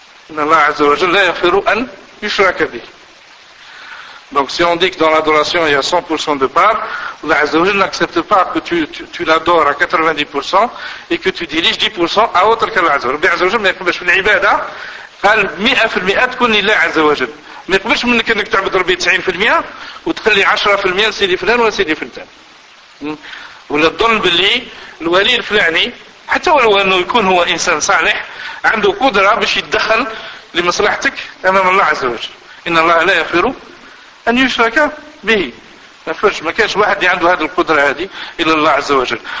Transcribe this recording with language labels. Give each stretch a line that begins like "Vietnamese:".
Arabic: إن الله عز وجل لا يغفر أن يشرك به.
French: Donc si on dit que dans l'adoration il y a 100% de part, Allah Azza wa Jalla n'accepte pas que tu l'adores à 90% et que tu diriges 10% à autre qu'Allah Azza wa Jalla. Azza wa Jalla, mais qu'est-ce que l'ibadah
Arabic: قال 100% تكون لله عز وجل. ما يقبلش منك انك تعبد ربي 90% وتخلي 10% لسيدي فلان ولا سيدي فلان. ولا تظن باللي الولي الفلاني حتى ولو انه يكون هو انسان صالح عنده قدره باش يتدخل لمصلحتك امام الله عز وجل. ان الله لا يغفر ان يشرك به. ما كانش واحد اللي عنده هذه القدره هذه الا الله عز وجل.